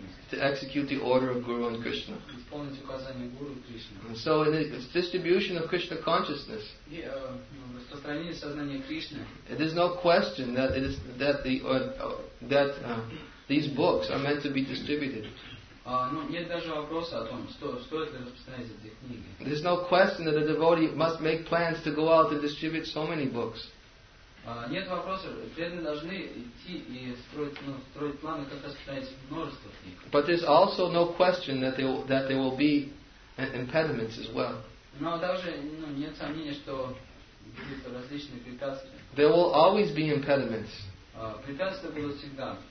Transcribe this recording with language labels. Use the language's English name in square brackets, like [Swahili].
[English] To execute the order of Guru and Krishna. And so in the distribution of Krishna consciousness, it is no question that it is that the that these books are meant to be distributed. There's no question that a devotee must make plans to go out and distribute so many books. [Russian] Нет вопроса, преданные должны идти и строить планы, как распространять множество книг. [English] But there's also no question that there will be impediments as well. [Russian] Но даже нет сомнения, что будут различные препятствия. [English] There will always be impediments. [Russian] Препятствия будут всегда.